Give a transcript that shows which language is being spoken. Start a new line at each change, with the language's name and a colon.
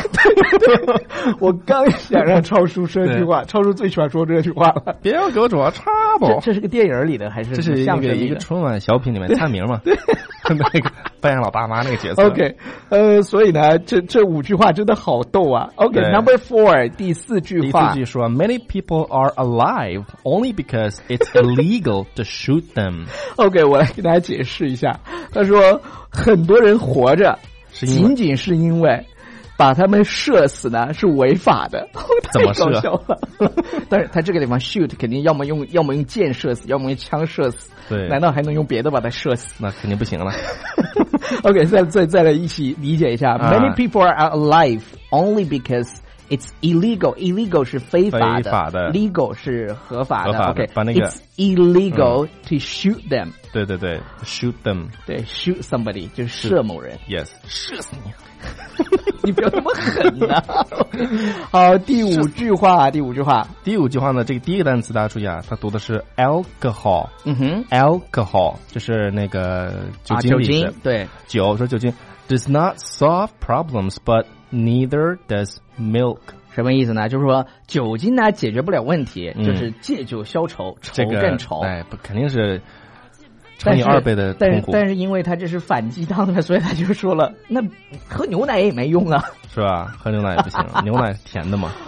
Chinese: 对对对，我刚想让超叔说这句话，超叔最喜欢说这句话了，别要给我找 trouble。这是个电影里的还是这是一个春晚小品里面蔡明嘛？对，那个扮演老爸妈那个角色。 OK， 所以呢，这五句话真的好逗啊。
English: OK，Number、okay, Four，
Chinese: 第四句话。第四句说
English: ，Many people are alive only because it's illegal to shoot them。
Chinese: OK， 我来给大家解释一下。他说，很多人活着，仅仅是因为。把他们射死呢是违法的，怎么射？但是他这个地方 shoot 肯定要么用箭射死，要么用枪射死。对，难道还能用别的把他射死？那肯定不行了。 OK， 再来一起理解一下、啊。
English: Many people are alive only because it's illegal.
Chinese: Illegal 是非法的 Legal 是合法的。合法的。 OK，把那个。
English: It's illegal、to shoot them.
Chinese: 对对对 ，
English: shoot them.
Chinese: 对 ，shoot somebody 就是射某人。
English: Shoot, yes，
Chinese: 射死你。你不要这么狠啊。好，第五句话呢，这个第一个单词大家注意啊，它读的是 alcohol。嗯哼， alcohol 就是那个酒精、啊、酒精，对，酒，说酒精
English: does not solve problems but neither does milk。
Chinese: 什么意思呢？就是说酒精呢解决不了问题、嗯、就是借酒消愁，愁更愁、这个、哎，不，肯定是乘以二倍的痛苦。但是因为他这是反鸡汤的，所以他就说了，那喝牛奶也没用啊，是吧？喝牛奶也不行，牛奶甜的嘛。